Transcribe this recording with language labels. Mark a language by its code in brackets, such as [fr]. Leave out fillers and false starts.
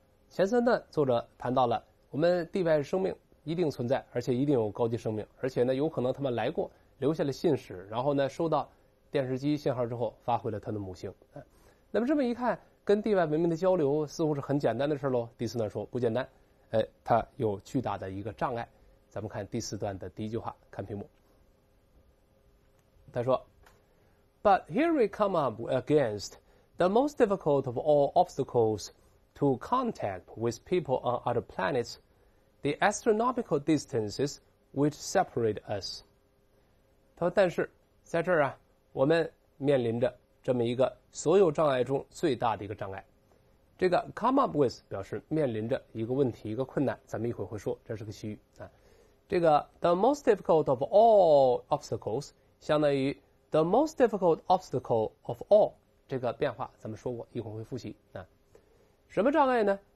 [zh] 前三段作者谈到了我们地外生命一定存在，而且一定有高级生命，而且呢有可能他们来过，留下了信使，然后呢收到电视机信号之后发回了他的母星。那么这么一看，跟地外文明的交流似乎是很简单的事喽。第四段说不简单，它有巨大的一个障碍。咱们看第四段的第一句话，看屏幕。 [en] 他说 ：“But here we come up against the most difficult of all obstacles to contact with people on other planets: the astronomical distances which separate us。” [zh] 他说：“但是在这儿啊，我们面临着这么一个所有障碍中最大的一个障碍。” 这个 come up with 表示面临着一个问题、一个困难，咱们一会儿会说，这是个习语啊。这个 [en] the most difficult of all obstacles [zh] 相当于 [en] the most difficult obstacle of all， [zh] 这个变化咱们说过，一会儿会复习啊。什么障碍呢？